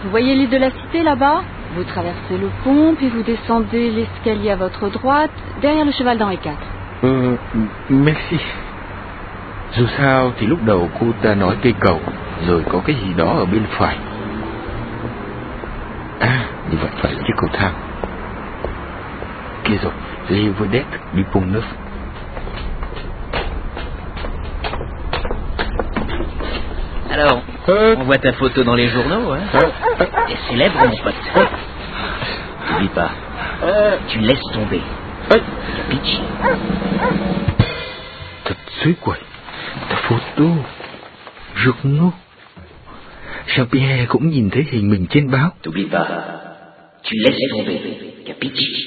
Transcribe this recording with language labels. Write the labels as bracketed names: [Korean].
[French] Vous voyez l'île de la cité là-bas? Vous traversez le pont, puis vous descendez l'escalier à votre droite, derrière le cheval d'Henri IV. Merci. [Vietnamese] Dù sao thì lúc đầu cô ta nói cây cầu, rồi có cái gì đó ở bên phải. À, như vậy phải là chiếc cầu thang. Kia rồi, Le Vaudet du Pont Neuf. [French] Alors, on voit ta photo dans les journaux, hein? T'es célèbre, mon pote. N'oublie pas, tu laisses tomber. Pitch. [Vietnamese] Thật suy quẩy. [French] Ta photo, journaux. [Vietnamese] Jean-Pierre cũng nhìn thấy hình mình trên báo. [French] T'oublie pas, tu laisses tomber, capiche.